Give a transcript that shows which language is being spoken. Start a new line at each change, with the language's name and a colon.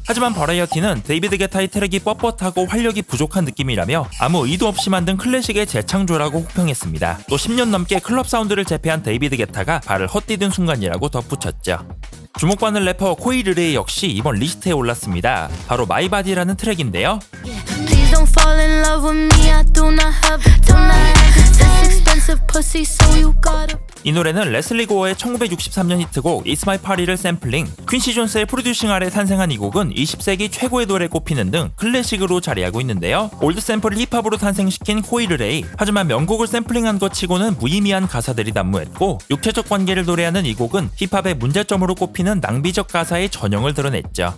Korean: 하지만 버라이어티는 데이비드 게타의 트랙이 뻣뻣하고 활력이 부족한 느낌이라며 아무 의도 없이 만든 클래식의 재창조라고 혹평했습니다. 또 10년 넘게 클럽 사운드를 재패한 데이비드 게타가 발을 헛디딘 순간이라고 덧붙였죠. 주목받는 래퍼 코이 르레이 역시 이번 리스트에 올랐습니다. 바로 My Body라는 트랙인데요.
English: Don't fall in love with me, I do not have time. That's expensive pussy, so you gotta.
Korean: 이 노래는 레슬리 고어의 1963년 히트곡 It's My Party를 샘플링, 퀸시 존스의 프로듀싱 아래 탄생한 이 곡은 20세기 최고의 노래 꼽히는 등 클래식으로 자리하고 있는데요. 올드 샘플을 힙합으로 탄생시킨 코이 르레이, 하지만 명곡을 샘플링한 것 치고는 무의미한 가사들이 난무했고 육체적 관계를 노래하는 이 곡은 힙합의 문제점으로 꼽히는 낭비적 가사의 전형을 드러냈죠.